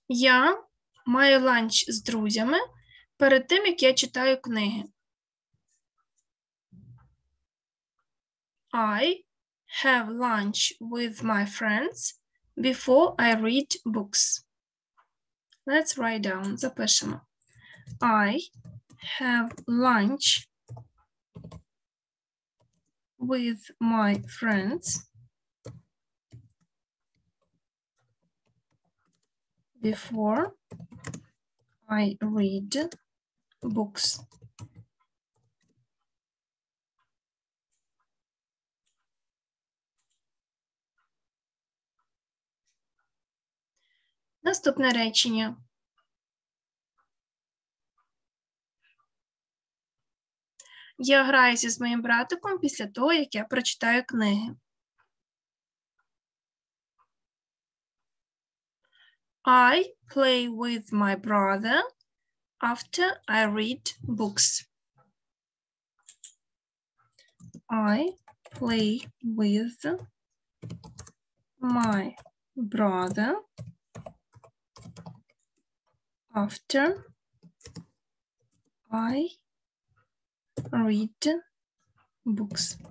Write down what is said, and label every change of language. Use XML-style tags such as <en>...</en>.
<uk>Я маю ланч з друзями перед тим, як я читаю книги.</uk> <en>I have lunch with my friends before I read books. Let's write down.</en> <uk>Запишемо.</uk> <en>I have lunch with my friends before I read books.</en> <uk>Наступне речення. Я граюся з моїм братиком після того, як я прочитаю книги.</uk> <en>I play with my brother after I read books. I play with my brother after I read books.</en>